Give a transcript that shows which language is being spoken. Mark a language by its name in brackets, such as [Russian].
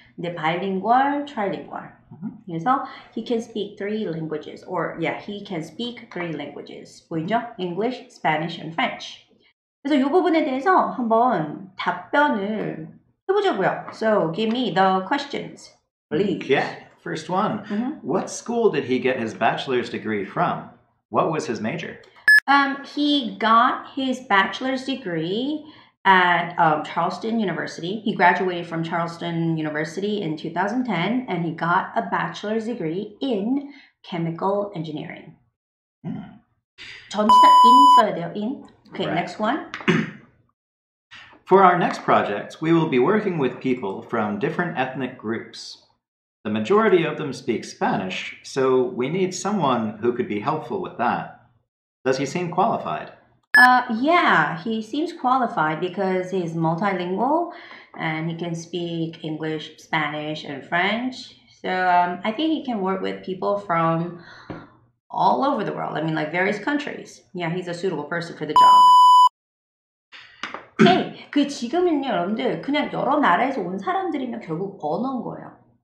[Korean] 근데 [English] bilingual, trilingual. [Korean] 그래서 [English] he can speak three languages or yeah he can speak three languages [Korean] 보이죠? [English] English, Spanish, and French. [Korean] 그래서 이 부분에 대해서 한번 답변을 해보자고요. [English] So give me the questions, please. Yeah, first one. What school did he get his bachelor's degree from? What was his major? He got his bachelor's degree at Charleston University. He graduated from Charleston University in 2010 and he got a bachelor's degree in chemical engineering. [Korean] 전치사 in 써야 돼요, [English] in. Okay, right. Next one. For our next project, we will be working with people from different ethnic groups. The majority of them speak Spanish, so we need someone who could be helpful with that. Does he seem qualified? Yeah, he seems qualified because he's multilingual and he can speak English, Spanish, and French. So I think he can work with people from all over the world. I mean, like various countries. Yeah, he's a suitable person for the job. [Korean] Hey, 그 지금은요, 여러분들, 그냥 여러 나라에서 온 사람들이면 결국 언어인 거예요.